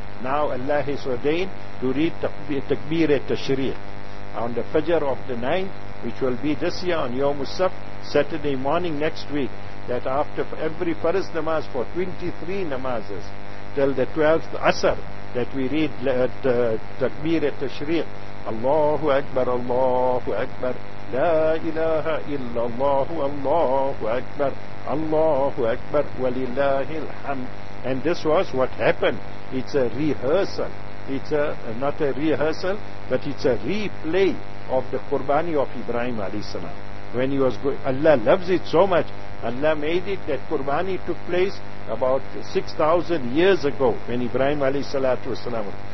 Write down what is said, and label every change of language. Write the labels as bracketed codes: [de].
[en] Now Allah has ordained to read Takbir al-Tashriq on the Fajr of the 9th, which will be this year on Yawm al-Sabt, Saturday morning next week, that after every Farz Namaz for 23 Namazes till the 12th Asr, that we read Takbir al-Tashriq. [ar] الله أكبر الله أكبر لا إله إلا الله الله أكبر الله أكبر ولله الحمد. [en] And this was what happened. It's a rehearsal. It's a, not a rehearsal, but it's a replay of the Qurbani of Ibrahim alayhi salam. When he was going, Allah loves it so much. Allah made it that Qurbani took place about 6,000 years ago when Ibrahim alayhi salatu wasalam.